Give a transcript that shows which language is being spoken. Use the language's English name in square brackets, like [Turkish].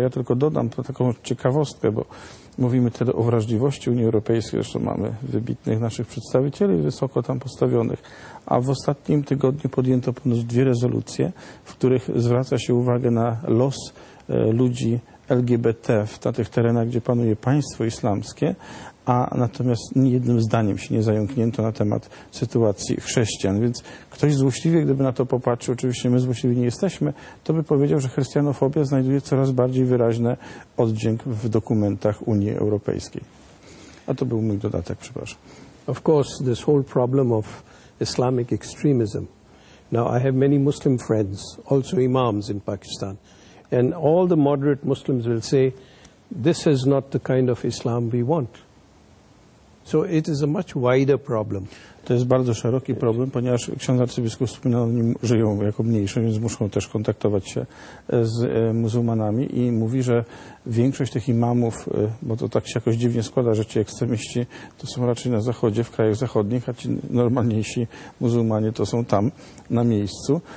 [Polish] Ja tylko dodam taką ciekawostkę, bo mówimy tyle o wrażliwości Unii Europejskiej, zresztą mamy wybitnych naszych przedstawicieli wysoko tam postawionych, a w ostatnim tygodniu podjęto ponad 2 rezolucje, w których zwraca się uwagę na los ludzi LGBT w tych terenach, gdzie panuje państwo islamskie, a natomiast jednym zdaniem się nie zająknięto na temat sytuacji chrześcijan. Więc ktoś złośliwie, gdyby na to popatrzył, oczywiście my złośliwi nie jesteśmy, to by powiedział, że chrystianofobia znajduje coraz bardziej wyraźny oddźwięk w dokumentach Unii Europejskiej. A to był mój dodatek, przepraszam. [English] Of course, this whole problem of Islamic extremism. Now, I have many Muslim friends, also imams in Pakistan. And all the moderate Muslims will say, this is not the kind of Islam we want. So it is a much wider problem. [Polish] To jest bardzo szeroki problem, ponieważ ksiądz arcybiskup wspominał, oni żyją jako mniejszość, więc muszą też kontaktować się z muzułmanami i mówi, że większość tych imamów, bo to tak się jakoś dziwnie składa, że ci ekstremiści to są raczej na zachodzie, w krajach zachodnich, a ci normalniejsi muzułmanie to są tam, na miejscu.